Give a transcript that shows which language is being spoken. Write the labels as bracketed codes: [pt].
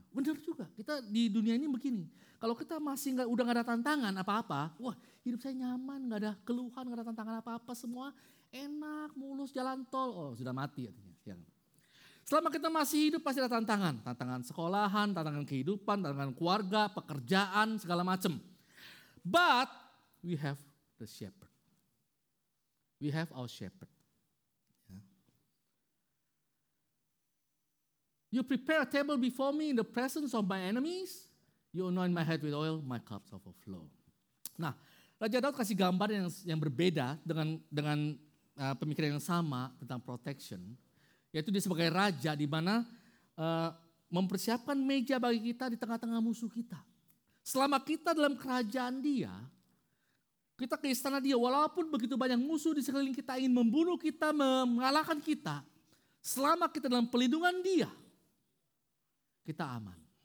[id] Benar juga, kita di dunia ini begini. Kalau kita masih udah gak ada tantangan apa-apa, wah hidup saya nyaman, gak ada keluhan, gak ada tantangan apa-apa, semua enak, mulus, jalan tol. Oh sudah mati artinya. Ya. Selama kita masih hidup pasti ada tantangan. Tantangan sekolahan, tantangan kehidupan, tantangan keluarga, pekerjaan, segala macam. [en] But we have the shepherd. We have our shepherd. You prepare a table before me in the presence of my enemies. You anoint my head with oil, my cups overflow. [id] Nah, Raja Daud kasih gambar yang berbeda dengan pemikiran yang sama tentang protection. Yaitu dia sebagai raja di mana mempersiapkan meja bagi kita di tengah-tengah musuh kita. Selama kita dalam kerajaan dia, kita ke istana dia, walaupun begitu banyak musuh di sekeliling kita ingin membunuh kita, mengalahkan kita, selama kita dalam pelindungan dia, kita aman.